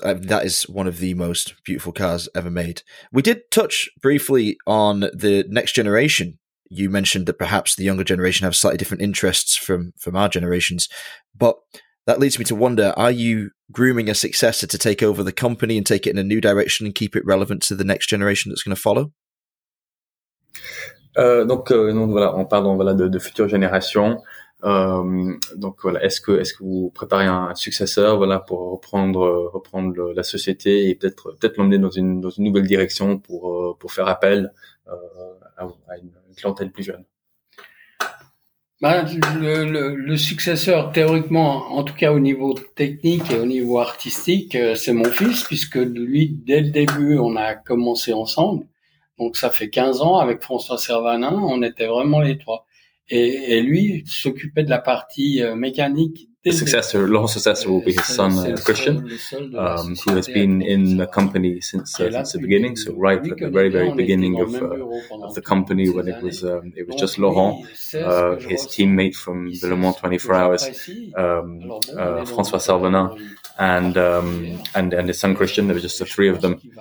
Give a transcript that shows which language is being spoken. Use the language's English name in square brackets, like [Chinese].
[English] That is one of the most beautiful cars ever made. We did touch briefly on the next generation. You mentioned that perhaps the younger generation have slightly different interests from our generations, but that leads me to wonder, are you grooming a successor to take over the company and take it in a new direction and keep it relevant to the next generation that's going to follow? [French] Donc voilà, en parlant voilà de future génération, donc voilà, est-ce que vous préparez un successeur voilà pour reprendre la société et peut-être l'emmener dans une nouvelle direction pour faire appel à une clientèle plus jeune? Ben, le successeur, théoriquement, en tout cas au niveau technique et au niveau artistique, c'est mon fils, puisque lui, dès le début, on a commencé ensemble. Donc, ça fait 15 ans, avec François Servanin, on était vraiment les trois. Et lui, il s'occupait de la partie mécanique. [English] The successor, Laurent's successor will be his son, Christian, who has been in the company since the beginning. So right at the very, very beginning of the company, when it was just Laurent, his teammate from the Le Mans 24 Hours, François Servanin, and his son Christian. There were just the three of them.